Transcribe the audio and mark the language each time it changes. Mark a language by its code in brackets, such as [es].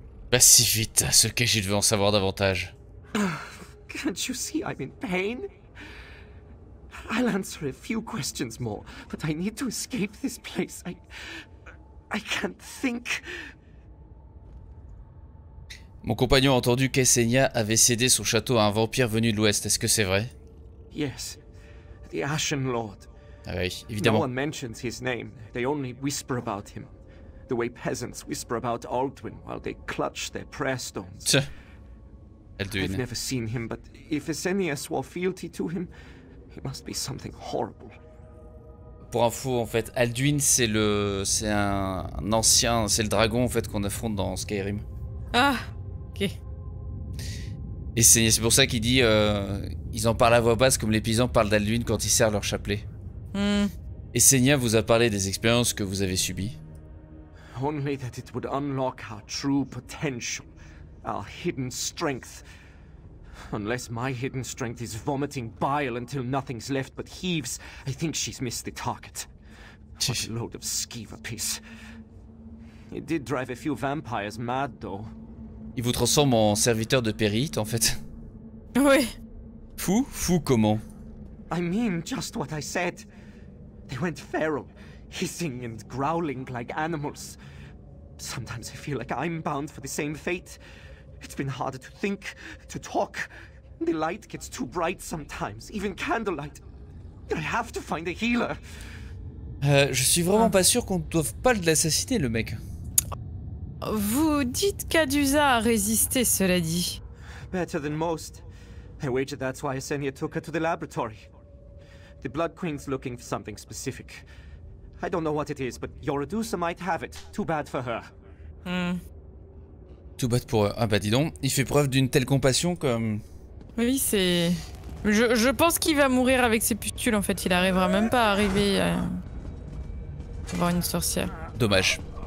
[fr] Pas si vite, ce Khajiit veut en savoir davantage. [en] Can't you see I'm in pain? I'll answer a few questions more, but I need to escape this place. I can't think. [fr] Mon compagnon a entendu qu'Essenia avait cédé son château à un vampire venu de l'ouest. Est-ce que c'est vrai? [en] Yes, the Ashen Lord. [fr] Ah oui, évidemment. [en] No one mentions his name. They only whisper about him, the way peasants whisper about Aldwyn while they clutch their prayer stones. Aldwyn. I've never seen him, but if Essenia swore fealty to him, he must be something horrible. [fr] Pour info, en fait, Aldwyn, c'est un ancien, c'est le dragon en fait qu'on affronte dans Skyrim. Ah, ok. Et c'est pour ça qu'il dit, ils en parlent à voix basse comme les paysans parlent d'Aldwyn quand ils serrent leur chapelet. Et Senya vous a parlé des expériences que vous avez subies. [en] Only that it would unlock our true potential, our hidden strength. Unless my hidden strength is vomiting bile until nothing's left but heaves, I think she's missed the target. What a load of skeever piss. It did drive a few vampires mad, though. [fr] Il vous transforme en serviteur de Périte, en fait. Oui. Fou? Fou comment? [en] I mean just what I said. They went feral, hissing and growling like animals. Sometimes I feel like I'm bound for the same fate. It's been harder to think, to talk. The light gets too bright sometimes, even candlelight. I have to find a healer. [fr] Je suis vraiment pas sûr qu'on ne doive pas l'assassiner, le mec. Vous dites qu'Adusa a résisté, cela dit. Better than most. I wager that's why Essenia took her to the laboratory. The Blood Queen's looking for something specific. I don't know what it is, but your Adusa might have it. Too bad for her. [en] Too bad [fr] pour eux. Ah bah dis donc, il fait preuve d'une telle compassion comme... Oui, c'est... Je pense qu'il va mourir avec ses pustules en fait. Il arrivera même pas à arriver à... voir une sorcière. Dommage.